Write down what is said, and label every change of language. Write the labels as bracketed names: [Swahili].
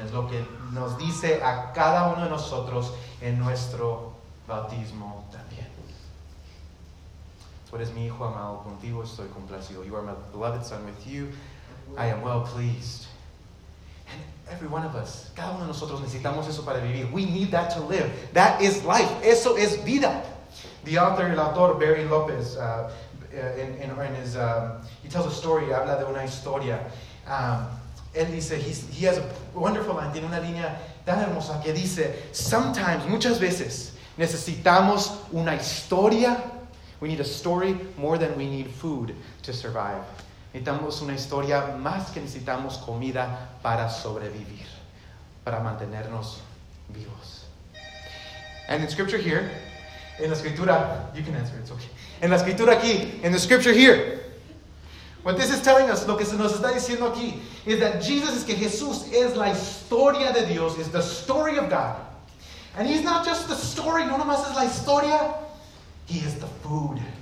[Spanish] Es lo que nos dice a cada uno de nosotros en nuestro bautismo también. Tú eres mi hijo amado, contigo estoy complacido. [English] You are my beloved son, with you I am well pleased. Every one of us, [Spanish] cada uno de nosotros necesitamos eso para vivir. [English] We need that to live. That is life. [Spanish] Eso es vida. [English] The author, [Spanish] el autor, [English] Barry López, he tells a story, [Spanish] habla de una historia. Él dice, [English] he has a wonderful line, [Spanish] tiene una línea tan hermosa que dice, [English] sometimes, [Spanish] muchas veces, necesitamos una historia. [English] We need a story more than we need food to survive. [Spanish] Necesitamos una historia más que necesitamos comida para sobrevivir, para mantenernos vivos. [English] And in scripture here, [Spanish] en la escritura, [English] you can answer, it's okay. [Spanish] En la escritura aquí, [English] in the scripture here, what this is telling us, [Spanish] lo que se nos está diciendo aquí, [English] is that Jesus is, [Spanish] que Jesús es la historia de Dios, [English] is the story of God. And he's not just the story, [Spanish] no nomás es la historia, [English] he is the food.